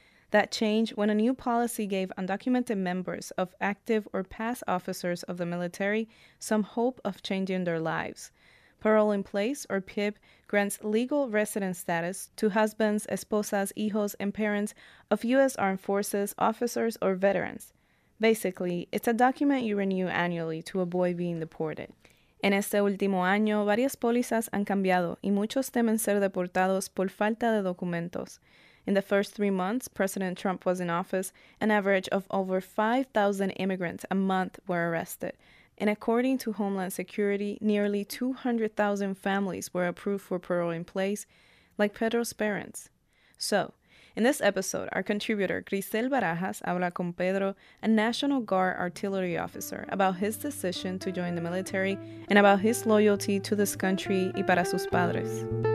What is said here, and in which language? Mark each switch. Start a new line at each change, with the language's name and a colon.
English: That changed when a new policy gave undocumented members of active or past officers of the military some hope of changing their lives. Parole in Place, or PIP, grants legal resident status to husbands,
Spanish: esposas, hijos,
English: and parents of U.S. Armed Forces, officers, or veterans. Basically, it's a document you renew annually to avoid being deported.
Spanish: En este último año, varias pólizas han cambiado y muchos temen ser deportados por falta de documentos.
English: In the first 3 months President Trump was in office, an average of over 5,000 immigrants a month were arrested. And according to Homeland Security, nearly 200,000 families were approved for parole in place, like Pedro's parents. So, in this episode, our contributor, Grisel Barajas,
Spanish: habla con Pedro,
English: a National Guard artillery officer, about his decision to join the military and about his loyalty to this country
Spanish: y para sus padres.